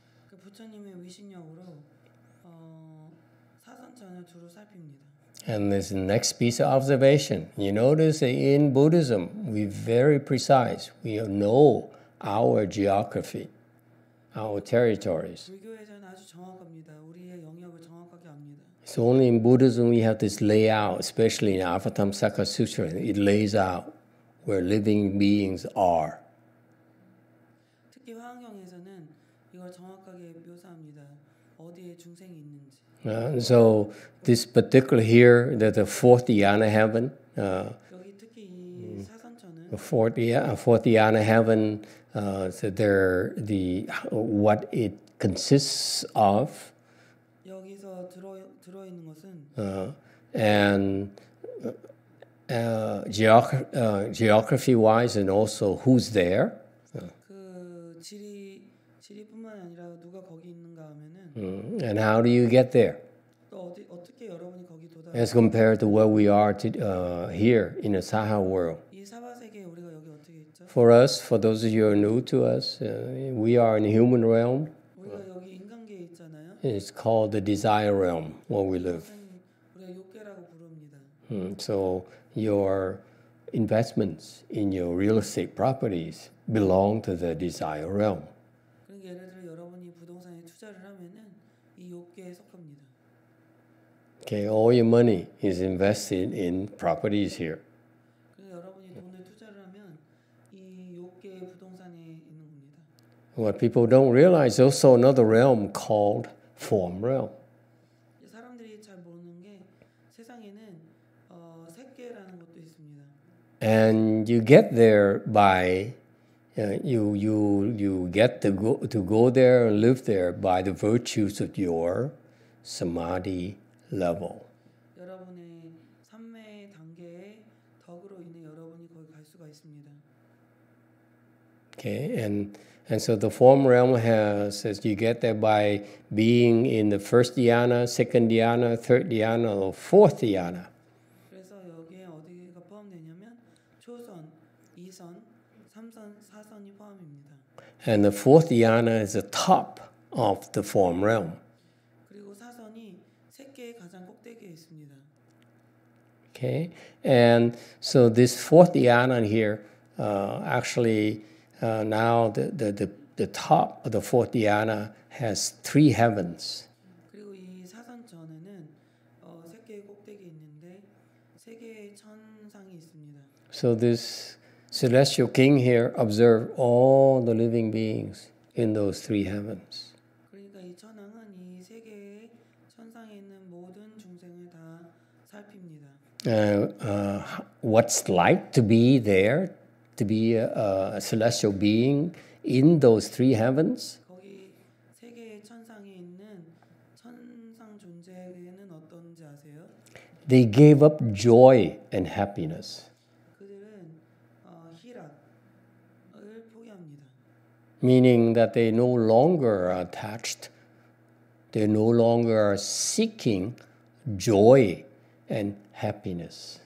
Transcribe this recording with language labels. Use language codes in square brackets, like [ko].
[ko] 그 부처님의 위신력으로 사선천을 두루 살핍니다. [en] And this next piece of observation, you notice that in Buddhism we very precise. We know our geography, our territories. [ko] 불교에서는 아주 정확합니다. 우리의 영역을 정확하게 압니다. [en] So only in Buddhism we have this layout, especially in Avatamsaka Sutra. It lays out where living beings are. [ko] 화엄경에서는 이걸 정확하게 묘사합니다. 어디에 중생이 있는지. [en] So this particular here, the fourth dhyana heaven. [ko] 여기 특히 이 사선천은. [en] The fourth dhyana heaven. What it consists of. [ko] 여기서 들어 있는 것은. [en] Geography wise, and also who's there. [ko] 지리뿐만 아니라 누가 거기 있는가 하면은 [en] And how do you get there? [ko] 또 어떻게 여러분이 거기 도달? [en] As compared to where we are to, here in a Saha world. [ko] 이 사바 세계에 우리가 여기 어떻게 있죠? [en] For us, for those of you who are new to us, we are in the human realm. [ko] 우리가 여기 인간계에 있잖아요. [en] It's called the desire realm where we live. [ko] 우리가 욕계라고 부릅니다. [en] So your investments in your real estate properties belong to the desire realm. [ko] 그러니까 예를 들어 여러분이 부동산에 투자를 하면은 이 욕계에 속합니다. [en] Okay, all your money is invested in properties here. [ko] 그러니까 여러분이 돈을 투자를 하면 이 욕계의 부동산에 있는 겁니다. [en] What people don't realize, also another realm called form realm. [ko] 사람들이 잘 모르는 게 세상에는 색계라는 것도 있습니다. [en] And you get there by you get to go there and live there by the virtues of your samadhi level. [ko] 여러분의 삼매 단계의 덕으로 인해 여러분이 거기 갈 수가 있습니다. [en] Okay, and so the form realm has says you get there by being in the first dhyana, second dhyana, third dhyana, or fourth dhyana. [ko] 그래서 여기에 어디가 포함되냐면 초선, 이선, 삼선, 사선이 포함입니다. [en] And the fourth dhyana is the top of the form realm. [ko] 그리고 사선이 색계의 가장 꼭대기에 있습니다. [en] Okay, and so this fourth dhyana here actually. Now the top of the fourth dhyana has three heavens. [ko] 그리고 이 사선 전에는 세 개의 꼭대기 있는데 세 개의 천상이 있습니다. [en] So this celestial king here observed all the living beings in those three heavens. [ko] 그러니까 이 천왕은 이 세 개의 천상에 있는 모든 중생을 다 살핍니다. [en] What's like to be there? To be a celestial being in those three heavens. [ko] 거기 세 개의 천상에 있는 천상 존재는 어떤지 아세요? [en] They gave up joy and happiness. [ko] 그들은 희락을 포기합니다. [en] Meaning that they no longer are attached. They no longer are seeking joy and happiness.